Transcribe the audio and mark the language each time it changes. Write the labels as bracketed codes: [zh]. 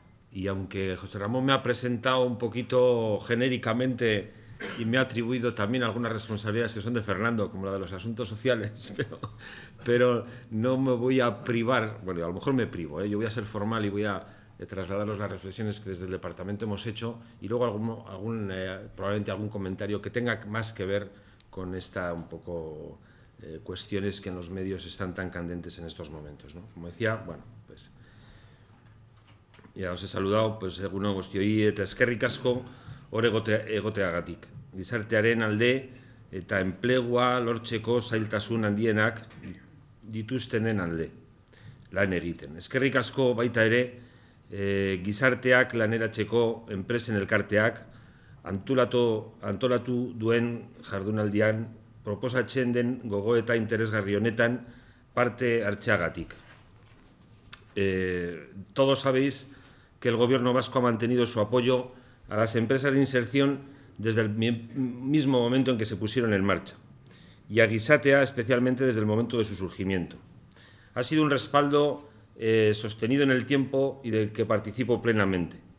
[es] Y aunque José Ramón me ha presentado un poquito genéricamente y me ha atribuido también algunas responsabilidades que son de Fernando, como la de los asuntos sociales, pero no me voy a privar, bueno, a lo mejor me privo, ¿eh? Yo voy a ser formal y voy a trasladaros las reflexiones que desde el departamento hemos hecho y luego probablemente algún comentario que tenga más que ver con esta un poco cuestiones que en los medios están tan candentes en estos momentos, ¿no? Como decía, bueno, pues ya os he saludado, pues alguno os estoy [eu] eskerrik asko hor egoteagatik. Gizartearen alde eta enplegua lortzeko zailtasun handienak dituztenen alde lan egiten. Eskerrik asko baita ere gizarteak laneratzeko enpresen elkarteak antolatu duen jardunaldian proposatzen den gogoeta interesgarri honetan parte hartzeagatik. [es] Todos sabéis que el Gobierno vasco ha mantenido su apoyo a las empresas de inserción desde el mismo momento en que se pusieron en marcha y a Gizatea especialmente desde el momento de su surgimiento. Ha sido un respaldo sostenido en el tiempo y del que participo plenamente.